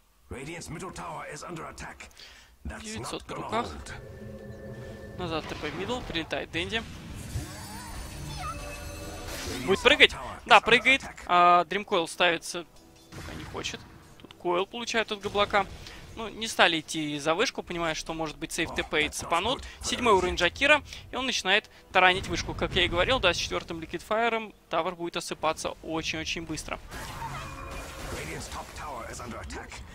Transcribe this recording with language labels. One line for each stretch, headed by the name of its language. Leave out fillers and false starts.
English: Radiance middle tower is under attack.
Russian: 900 в руках. Назад ТП middle, прилетает Дэнди. Будет прыгать? Да, прыгает. Dreamcoil ставится, пока не хочет. Тут Coil получает от габлака. Ну, не стали идти за вышку, понимая, что может быть сейф ТП и цепанут. Седьмой уровень Джакира, и он начинает таранить вышку. Как я и говорил, да, с четвертым Liquid Fire тавер будет осыпаться очень-очень быстро.
English: Radiance top tower is under attack.